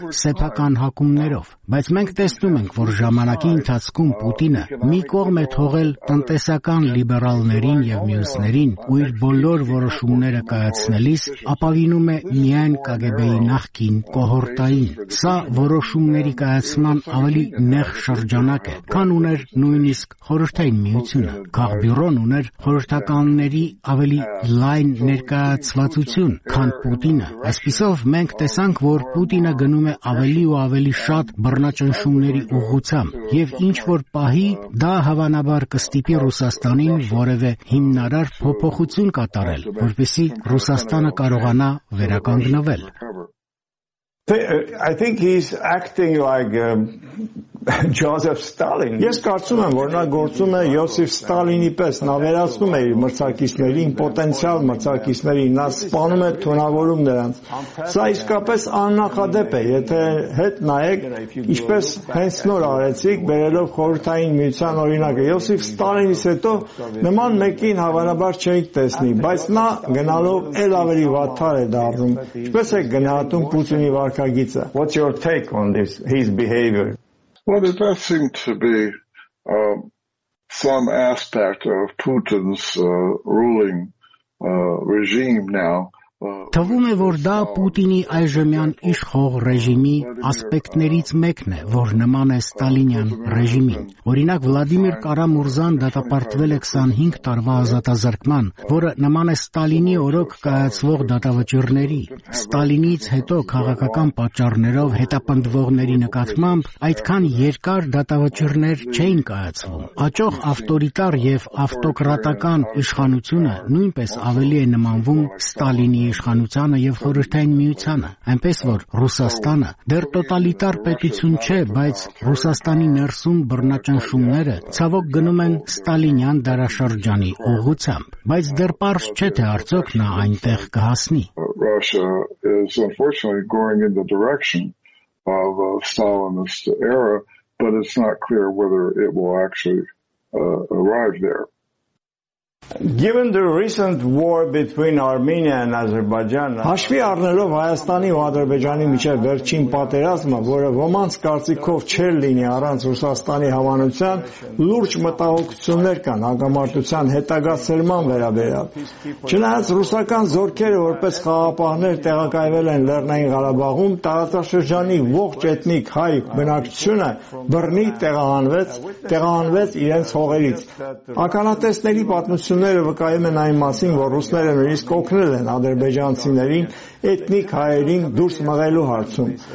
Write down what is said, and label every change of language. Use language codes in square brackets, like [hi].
[hy] սեփական հակումներով, բայց մենք տեսնում ենք, որ ժամանակի ընթացքում Պուտինը մի կողմ է թողել տնտեսական լիբերալներին եւ մյուսներին, ու իր բոլոր որոշումները կայացնելիս ապավինում է միայն ԿԳԲ-ի նախկին կոհորտային։ Սա որոշումների կայացման ավելի նեղ շրջանակ է, քան ուներ նույնիսկ Խորհրդային Միությունը։ Քաղբյուրոն ուներ խորհրդականների ավելի լայն ներկայացվածություն, քան Պուտինը։ Այսպիսով մենք տեսանք, որ Պուտինը գնում է ավելի ու ավելի շատ բռնաճնշումների ուղղությամբ, եւ ինչ որ պահի դա հավանաբար կստիպի Ռուսաստանին որևէ հիմնարար փոփոխություն կատարել, որպեսզի Ռուսաստանը կարողանա վերականգնվել։ [en] I think he's acting like Joseph Stalin. [hy] Ես կարծում եմ, որ նա գործում է Յոսիֆ Ստալինի պես, նա վերածում է իր մրցակիցներին, պոտենցիալ մրցակիցներին, նա սպանում է թունավորում նրանց։ Սա իսկապես աննախադեպ է, եթե հետ նայեք, ինչպես հենց նոր արեցիք, բերելով խորհրդային միության օրինակը, Յոսիֆ Ստալինից հետո նման մեկին հավանաբար չենք տեսնի, բայց նա գնալով էլ ավելի վատար է դառնում։ Ինչպես է գնահատում Պուտինի վարկագիծը։ [en] What's your take on this, his behavior? Well, it does seem to be some aspect of Putin's ruling regime now. [hy] Թվում է, որ դա Պուտինի այժմյան իշխող ռեժիմի ասպեկտներից մեկն է, որ նման է Ստալինյան ռեժիմին։ Օրինակ, Վլադիմիր Կարամուրզան դատապարտվել է 25 տարվա ազատազրկման, որը նման է Ստալինի օրոք կայացվող դատավճիռների։ Ստալինից հետո քաղաքական պատճառներով հետապնդվողների նկատմամբ այդքան երկար դատավճիռներ չէին կայացվում։ Աճող ավտորիտար եւ ավտոկրատական իշխանությունը նույնպես ավելի է նմանվում Ստալինի իշխանությանը եւ խորհրդային միությանը, այնպես որ Ռուսաստանը դեռ տոտալիտար պետություն չէ, բայց Ռուսաստանի ներսում բռնաճնշումները ցավոք գնում են Ստալինյան դարաշրջանի ուղղությամբ, բայց դեռ պարզ չէ, թե արդյոք նա այնտեղ կհասնի։ [en] Russia is unfortunately going in the direction of a Stalinist era, but it's not clear whether it will actually arrive there. Given the recent war between Armenia and Azerbaijan, [hy] հաշվի առնելով Հայաստանի ու Ադրբեջանի միջև վերջին պատերազմը, որը ոմանց կարծիքով չէր լինի առանց Ռուսաստանի հավանության, լուրջ մտահոգություններ կան հագամարտության հետագա ծերման վերաբերյալ։ Չնայած ռուսական զորքերը որպես խաղապահներ տեղակայվել են Լեռնային Ղարաբաղում, տարածաշրջանի ողջ էթնիկ հայ բնակչությունը բռնի տեղահանվեց իրենց հողերից։ Ականատեսների պատմությունը ցուները վկայում են այն մասին, որ ռուսները նույնիսկ օգնել են ադրբեջանցիներին էթնիկ հայերին դուրս մղելու հարցում։